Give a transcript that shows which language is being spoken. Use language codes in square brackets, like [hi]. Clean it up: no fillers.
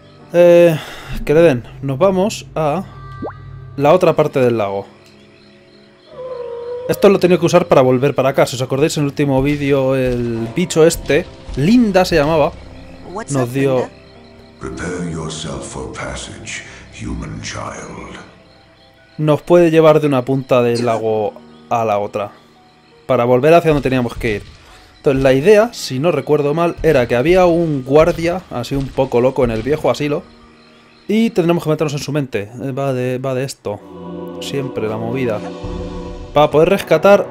[es] Que le den. Nos vamos a la otra parte del lago. Esto lo tenía que usar para volver para acá. Si os acordáis, en el último vídeo, el bicho este, Linda se llamaba, nos dio... [en] Prepare yourself for passage, human child. [es] Nos puede llevar de una punta del lago a la otra. Para volver hacia donde teníamos que ir. Entonces, la idea, si no recuerdo mal, era que había un guardia, así un poco loco, en el viejo asilo. Y tendremos que meternos en su mente. Va de esto. Siempre la movida. Para poder rescatar...